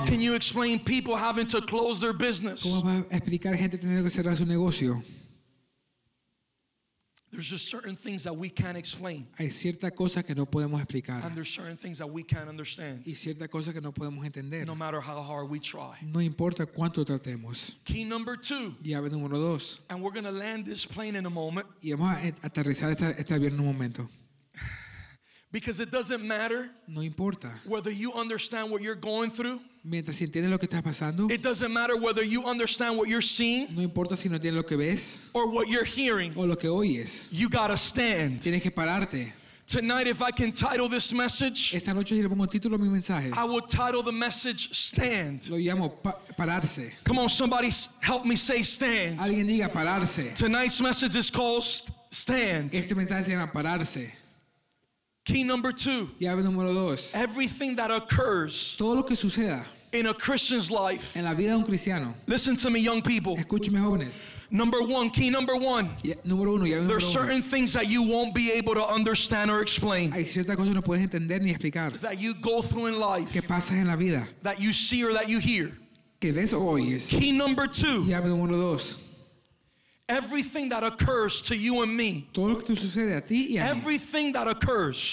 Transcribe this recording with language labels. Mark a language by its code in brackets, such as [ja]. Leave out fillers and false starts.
[en] How can you explain people having to close their business? There's just certain things that we can't explain. [es] Hay cierta cosa que no podemos explicar. [en] And there's certain things that we can't understand. [es] Y cierta cosa que no podemos entender. [en] No matter how hard we try. [es] No importa cuánto tratemos. [en] Key number two. [es] Llave número dos. [en] And we're going to land this plane in a moment. [es] Y vamos a aterrizar este avión en un momento. [en] Because it doesn't matter. [es] No importa. [en] Whether you understand what you're going through. [es] Mientras entiendes lo que estás pasando. [en] It doesn't matter whether you understand what you're seeing. [es] No importa si no entiendes lo que ves. [en] Or what you're hearing. [es] O lo que oyes. [en] You gotta stand. [es] Tienes que pararte. [en] Tonight, if I can title this message. [es] Esta noche si le pongo título a mi mensaje. [en] I will title the message "Stand." [es] Lo llamo pararse. [en] Come on, somebody help me say "Stand." [es] Alguien diga pararse. [en] Tonight's message is called "Stand." [es] Este mensaje se llama pararse. [en] Key number two. [es] Llave número dos. [en] Everything that occurs. [es] Todo lo que suceda. [en] In a Christian's life. [es] En la vida de un cristiano. [en] Listen to me, young people. [es] Escúcheme, jóvenes. [en] Number one, key number one. [es] Yeah, número uno, llave [en] there are certain [es] uno. [en] Things that you won't be able to understand or explain. [es] Hay ciertas cosas que no puedes entender ni explicar. [en] That you go through in life. [es] Que pasas en la vida. [en] That you see or that you hear. [es] Que ves o oyes. [en] Key number two. [es] Llave número dos. [en] Everything that occurs to you and me. [es] Todo lo que te sucede a ti y a mí. [en] Everything that occurs.